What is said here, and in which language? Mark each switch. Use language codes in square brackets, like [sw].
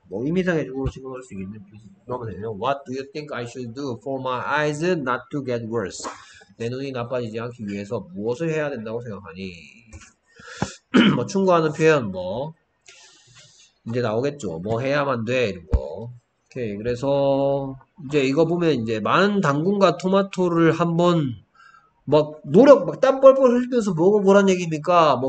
[ko] 뭐 의미상의적으로 지금 할수 있는 표현이 되네요. [en] What do you think I should do for my eyes not to get worse? [ko] 내 눈이 나빠지지 않기 위해서 무엇을 해야 된다고 생각하니? 뭐 충고하는 표현 뭐 이제 나오겠죠. 뭐 해야만 돼 이런 거. 오케이, 그래서 이제 이거 보면 이제 많은 당근과 토마토를 한번 막 노력 막땀 뻘뻘 흘리면서 먹어보란 얘기입니까?